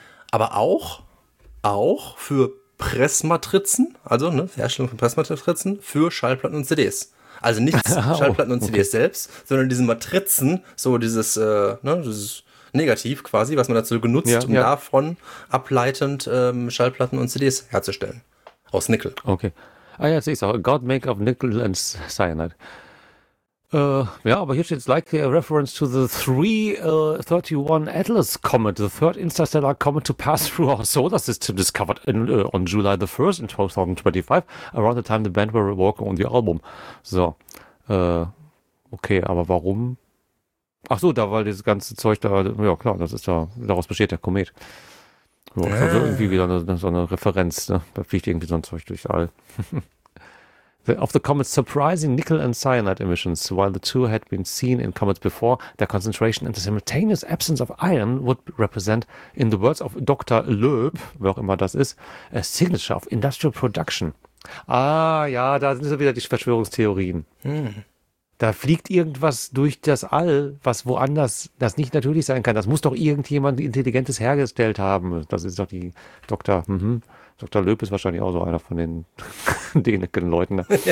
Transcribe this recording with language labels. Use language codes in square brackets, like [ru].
[de] Aber auch für Pressmatrizen, also ne, Herstellung von Pressmatrizen, für Schallplatten und CDs. Also nicht Schallplatten und CDs selbst, sondern diese Matrizen, so dieses, dieses Negativ quasi, was man dazu genutzt, davon ableitend Schallplatten und CDs herzustellen. Aus Nickel. Okay. Ah ja, jetzt sehe ich es auch. [en] God make of Nickel and Cyanide. [de] Ja, aber hier steht es [en] like a reference to the 331 Atlas Comet, the third interstellar comet to pass through our solar system, discovered on July the 1st in 2025, around the time the band were working on the album. [de] So. Okay, aber warum? Ach so, da war dieses ganze Zeug da, ja klar, das ist da, daraus besteht der Komet. So, also irgendwie wieder so eine Referenz, ne? Da fliegt irgendwie so ein Zeug durchs All. [en] Of the comet's surprising nickel and cyanide emissions, while the two had been seen in comets before, their concentration and the simultaneous absence of iron would represent, in the words of Dr. Loeb, [de] wer auch immer das ist, [en] a signature of industrial production. [de] Ah ja, da sind so wieder die Verschwörungstheorien. Da fliegt irgendwas durch das All, was woanders, das nicht natürlich sein kann. Das muss doch irgendjemand Intelligentes hergestellt haben. Das ist doch die Dr. Dr. Löb ist wahrscheinlich auch so einer von den dänischen Leuten. Ne?